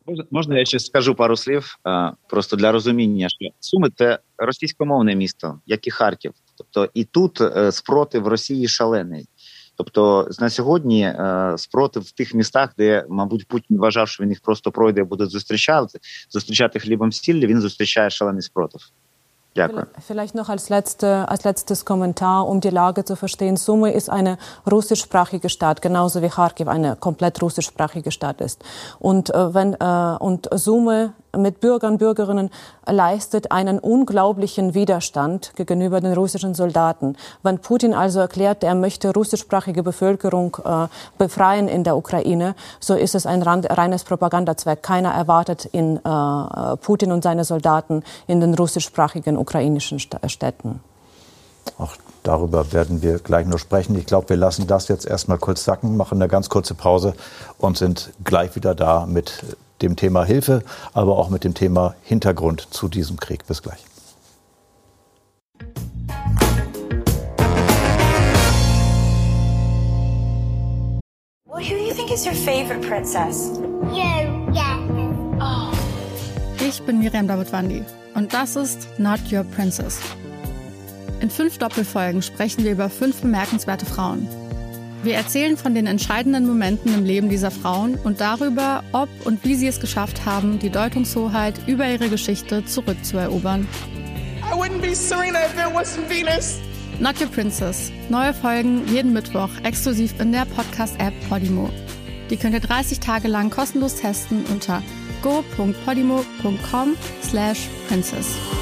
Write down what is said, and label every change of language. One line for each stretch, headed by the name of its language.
Ukrainian: Можна я ще скажу пару слів, просто для розуміння, що Суми – це російськомовне місто, як і Харків. Тобто і тут спротив Росії шалений. Тобто на сьогодні спротив в тих містах, де, мабуть, Путін вважав, що він їх просто пройде і буде зустрічати хлібом сіллю, він зустрічає шалений спротив.
German: Vielleicht noch als letztes Kommentar, um die Lage zu verstehen. Sumy ist eine russischsprachige Stadt, genauso wie Kharkiv eine komplett russischsprachige Stadt ist. Und Sumy mit Bürgern, Bürgerinnen leistet einen unglaublichen Widerstand gegenüber den russischen Soldaten. Wenn Putin also erklärt, er möchte russischsprachige Bevölkerung befreien in der Ukraine, so ist es ein reines Propagandazweck. Keiner erwartet in Putin und seine Soldaten in den russischsprachigen ukrainischen Städten. Ach, darüber werden wir gleich noch sprechen. Ich glaube, wir lassen das jetzt erstmal kurz sacken, machen eine ganz kurze Pause und sind gleich wieder da mit dem Thema Hilfe, aber auch mit dem Thema Hintergrund zu diesem Krieg. Bis gleich.
English: Well, who do you think is your favorite princess? You, yes. Oh.
German: Ich bin Miriam Davutwandi und das ist Not Your Princess. In 5 Doppelfolgen sprechen wir über 5 bemerkenswerte Frauen. Wir erzählen von den entscheidenden Momenten im Leben dieser Frauen und darüber, ob und wie sie es geschafft haben, die Deutungshoheit über ihre Geschichte zurückzuerobern.
English: I wouldn't be Serena if it wasn't Venus. Not Your Princess.
German: Neue Folgen jeden Mittwoch exklusiv in der Podcast-App Podimo. Die könnt ihr 30 Tage lang kostenlos testen unter go.podimo.com/princess.